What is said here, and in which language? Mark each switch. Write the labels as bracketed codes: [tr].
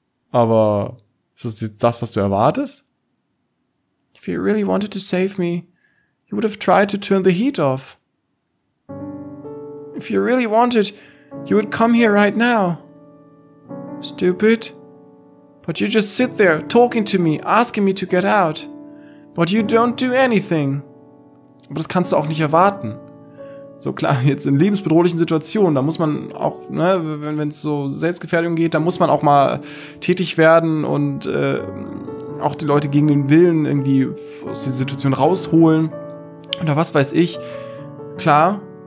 [de] Aber ist das jetzt das, was du erwartest? [en] If you really wanted to save me, you would have tried to turn the heat off. If you really wanted, you would come here right now. Stupid. But you just sit there, talking to me, asking me to get out. But you don't do anything. [de] Aber das kannst du auch nicht erwarten. So klar, jetzt in lebensbedrohlichen Situationen, da muss man auch, ne, wenn es so Selbstgefährdung geht, da muss man auch mal tätig werden und auch die Leute gegen den Willen irgendwie aus dieser Situation rausholen. Oder was weiß ich. Klar.